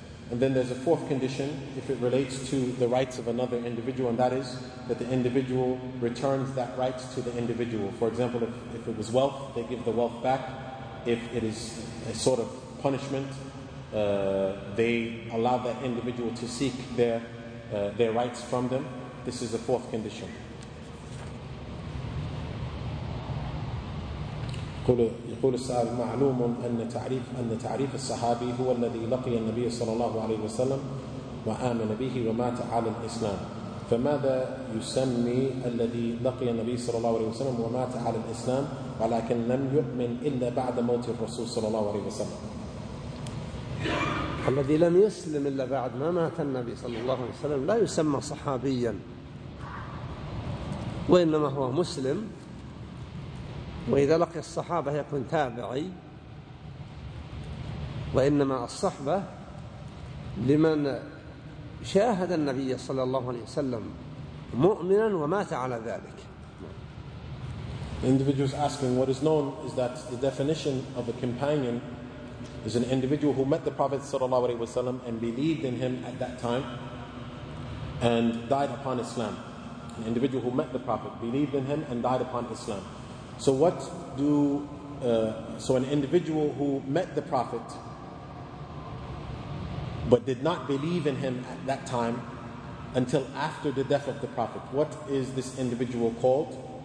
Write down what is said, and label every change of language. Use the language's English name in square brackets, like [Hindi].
[English] And then there's a fourth condition, if it relates to the rights of another individual, and that is that the individual returns that right to the individual. For example, if it was wealth, they give the wealth back. If it is a sort of punishment, they allow that individual to seek their rights from them. This is the fourth condition. [Arabic] يقول السائل معلوم أن تعريف الصحابي هو الذي لقي النبي صلى الله عليه وسلم وآمن به ومات على الإسلام فماذا يسمي الذي لقي النبي صلى الله عليه وسلم ومات على الإسلام ولكن لم يؤمن إلا بعد موت الرسول صلى الله عليه وسلم الذي لم يسلم إلا بعد ما مات النبي صلى الله عليه وسلم لا يسمى صحابيا وإنما هو مسلم وإذا لقي الصحابة يكون تابعي، وإنما الصحبة لمن شاهد النبي صلى الله عليه وسلم مؤمنا ومات على ذلك. [English] The individual is asking, what is known is that the definition of a companion is an individual who met the Prophet sallallahu alaihi wasallam and believed in him at that time and died upon Islam. An individual who met the Prophet, believed in him and died upon Islam. So what do so an individual who met the Prophet but did not believe in him at that time until after the death of the Prophet, what is this individual called?